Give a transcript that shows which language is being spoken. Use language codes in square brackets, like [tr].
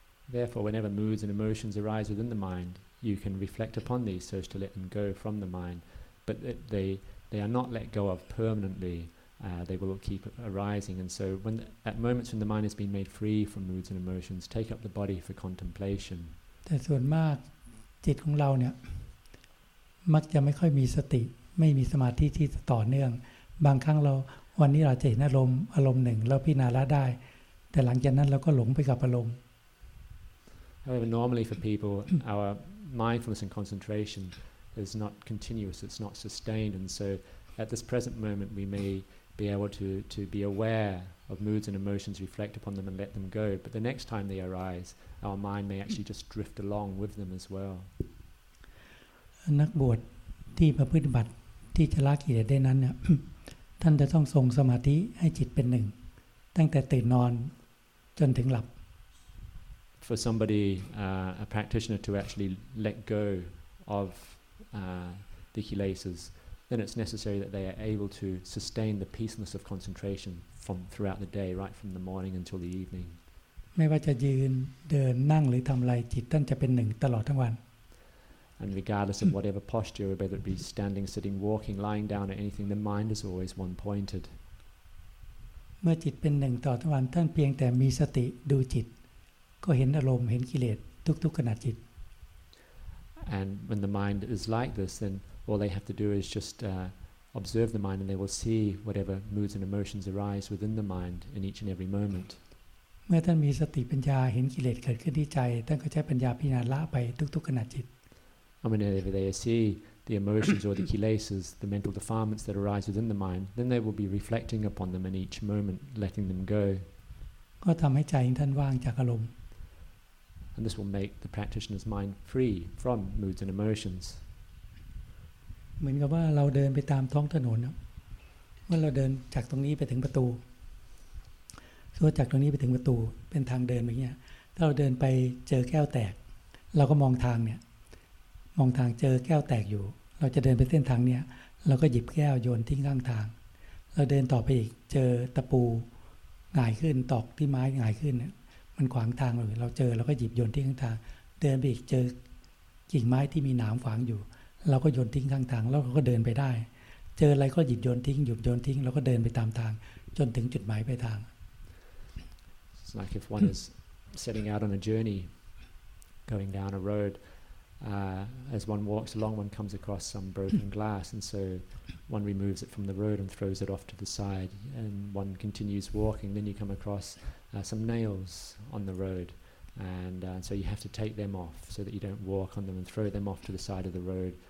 [en] Therefore, whenever moods and emotions arise within the mind. You can reflect upon these so as to let them go from the mind, but they are not let go of permanently. They will keep arising, and so when at moments when the mind has been made free from moods and emotions, take up the body for contemplation. [th] แต่ส่วนมากจิตของเราเนี่ยมักจะไม่ค่อยมีสติไม่มีสมาธิที่ต่อเนื่องบางครั้งเราวันนี้เราจะเห็นอารมณ์หนึ่งเราพิจารณาได้แต่หลังจากนั้นเราก็หลงไปกับอารมณ์ [en] However, normally for people, our mindfulness and concentration is not continuous, it's not sustained. And so at this present moment, we may be able to be aware of moods and emotions, reflect upon them and let them go. But the next time they arise, our mind may actually just drift along with them as well. [th] นักบวชที่ประพฤติปฏิบัติที่จะละกิเลสได้นั้นเนี่ยท่านจะต้องทรงสมาธิให้จิตเป็นหนึ่งตั้งแต่ตื่นนอนจนถึงหลับ [en] for somebody, a practitioner, to actually let go of the kilesas, then it's necessary that they are able to sustain the peacefulness of concentration from throughout the day, right from the morning until the evening. [th] ไม่ว่าจะยืนเดินนั่งหรือทำอะไรจิตท่านจะเป็นหนึ่งตลอดทั้งวัน [en] And regardless of whatever posture, whether it be standing, sitting, walking, lying down, or anything, the mind is always one-pointed. [th] เมื่อจิตเป็นหนึ่งตลอดทั้งวันท่านเพียงแต่มีสติดูจิตก็เห็นอารมณ์เห็นกิเลสทุกๆขณะจิต [en] And when the mind is like this, then all they have to do is just observe the mind, and they will see whatever moods and emotions arise within the mind in each and every moment. [th] เมื่อท่านมีสติปัญญาเห็นกิเลสเกิดขึ้นที่ใจท่านก็ใช้ปัญญาพิจารณาไปทุกๆขณะจิต [en] Whenever they see the emotions or the kilesas, the mental defilements that arise within the mind, then they will be reflecting upon them in each moment, letting them go. [th] ก็ทำให้ใจท่านว่างจากอารมณ์ [en] And this will make the practitioner's mind free from moods and emotions. [th] เหมือนกับว่าเราเดินไปตามท้องถนนเมื่อเราเดินจากตรงนี้ไปถึงประตูตัวจากตรงนี้ไปถึงประตูเป็นทางเดินอย่างเงี้ยถ้าเราเดินไปเจอแก้วแตกเราก็มองทางเนี่ย มองทางเจอแก้วแตกอยู่เราจะเดินไปเส้นทางเนี้ยเราก็หยิบแก้วโยนทิ้งข้างทางเราเดินต่อไปอีกเจอตะปูหงายขึ้นตอกที่ไม้หงายขึ้นเนี่ยมันขวางทางเราเจอเราก็หยิบโยนทิ้งข้างทางเดินไปอีกเจอกิ่งไม้ที่มีหนามขวางอยู่เราก็โยนทิ้งข้างทางแล้วเราก็เดินไปได้เจออะไรก็หยิบโยนทิ้งหยิบโยนทิ้งเราก็เดินไปตามทางจนถึงจุดหมายปลายทาง [en] It's like if one is setting out on a journey, going down a road, as one walks along, one comes across some broken glass, and so one removes it from the road and throws it off to the side, and one continues walking, then you come across some nails on the road, and so you have to take them off so that you don't walk on them and throw them off to the side of the road.